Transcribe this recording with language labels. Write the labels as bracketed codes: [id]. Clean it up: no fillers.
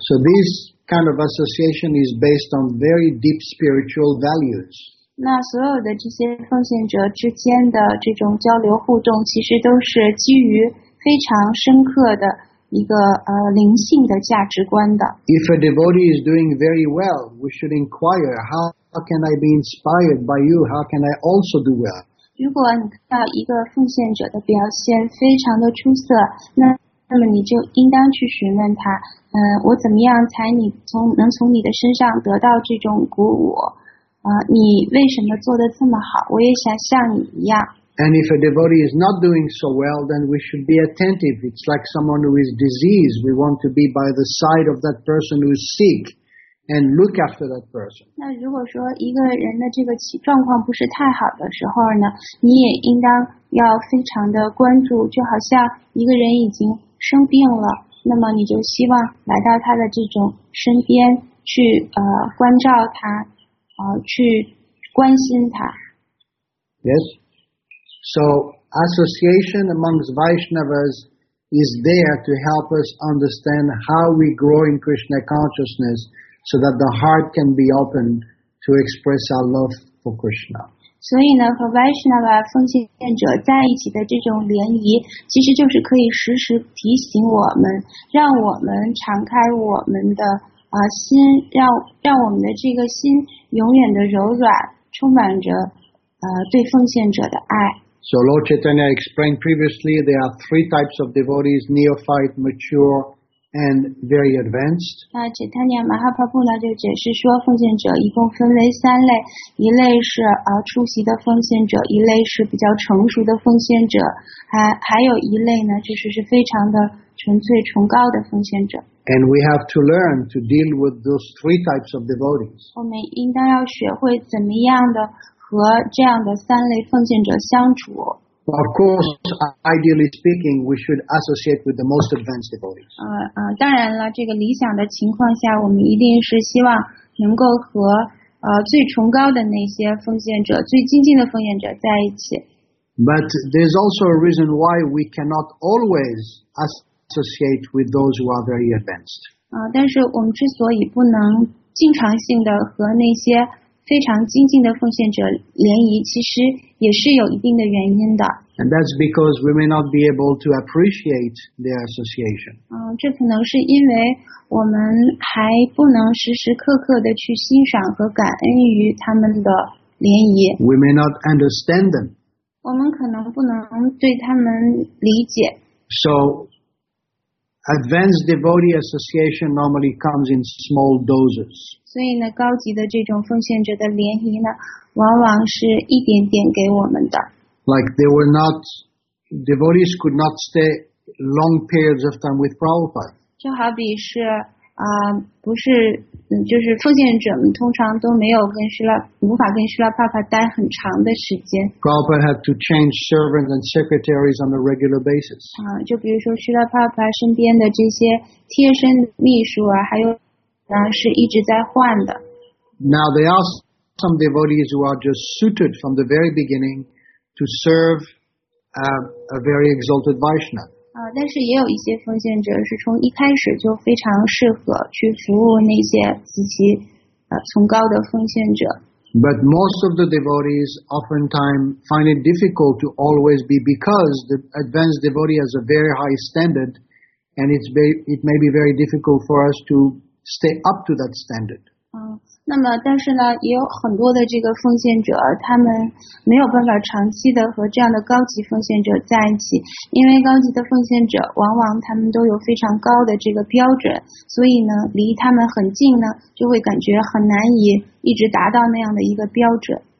[en] So this kind of association is based on very deep spiritual values. [zh] 那所有的这些奉献者之间的这种交流互动，其实都是基于非常深刻的一个灵性的价值观的。 [en] If a devotee is doing very well, we should inquire, how can I be inspired by you? How can I also do well? [zh] 如果你看到一个奉献者的表现非常的出色，那么你就应当去询问他，我怎么样才能从你的身上得到这种鼓舞？你为什么做得这么好？我也想像你一样。 [en] And if a devotee is not doing so well, then we should be attentive. It's like someone who is diseased. We want to be by the side of that person who is sick. And look after that person. [zh] 那如果说一个人的这个状况不是太好的时候呢，你也应当要非常的关注，就好像一个人已经生病了，那么你就希望来到他的这种身边去关照他，去关心他。 [en] Yes. So association amongst Vaishnavas is there to help us understand how we grow in Krishna consciousness. So that the heart can be opened to express our love for Krishna. [zh] 所以呢，和 Vaishnava 奉献者在一起的这种联谊，其实就是可以时时提醒我们，让我们敞开我们的心，让我们的这个心永远的柔软，充满着对奉献者的爱。 [en] So Lord Chaitanya explained previously, there are three types of devotees, neophyte, mature, and very advanced. [zh] 那 Chaitanya Mahaprabhu 呢就解释说奉献者一共分为三类，一类是初级的奉献者，一类是比较成熟的奉献者，还有一类呢就是非常的纯粹崇高的奉献者。 [en] And we have to learn to deal with those three types of devotees. [zh] 我们应当要学会怎么样的和这样的三类奉献者相处。 [en] Of course, ideally speaking, we should associate with the most advanced devotees. [zh] 当然了，这个理想的情况下，我们一定是希望能够和最崇高的那些奉献者、最精进的奉献者在一起。 [en] But there's also a reason why we cannot always associate with those who are very advanced. [zh] 但是我们之所以不能经常性的和那些非常精进的奉献者联谊，其实也是有一定的原因的。 [en] And that's because we may not be able to appreciate their association. [zh] 这可能是因为我们还不能时时刻刻的去欣赏和感恩于他们的联谊。 [en] We may not understand them. [zh] 我们可能不能对他们理解。 [en] So, advanced devotee association normally comes in small doses. [zh] 所以呢，高级的这种奉献者的联谊呢，往往是一点点给我们的。 [en] Like they were not, devotees could not stay long periods of time with Prabhupada. [zh] 就好比是不是，就是奉献者们通常都没有跟师拉，无法跟师拉帕帕待很长的时间。 [en] Prabhupada had to change servants and secretaries on a regular basis. [zh] 就比如说师拉帕帕身边的这些贴身秘书啊，还有是一直在换的。 [en] Now there are some devotees who are just suited from the very beginning to serve a very exalted Vaishnava. [zh] 但是也有一些奉献者是从一开始就非常适合去服务那些极其崇高的奉献者。 [en] But most of the devotees oftentimes find it difficult to always be because the advanced devotee has a very high standard and it may be very difficult for us to stay up to that standard. [zh] 那么但是呢也有很多的这个奉献者他们没有办法长期的和这样的高级奉献者在一起，因为高级的奉献者往往他们都有非常高的这个标准，所以呢离他们很近呢就会感觉很难以一直达到那样的一个标准。